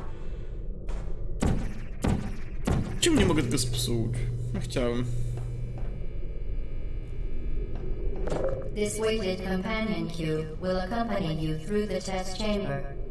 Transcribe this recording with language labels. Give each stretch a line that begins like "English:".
English: Apparatus and will deliver a weighted companion cube in 3, 2, 1.
Polish: Czemu nie mogę tego spsuć? Ja chciałem.
English: This weighted companion cube will accompany you through the test chamber.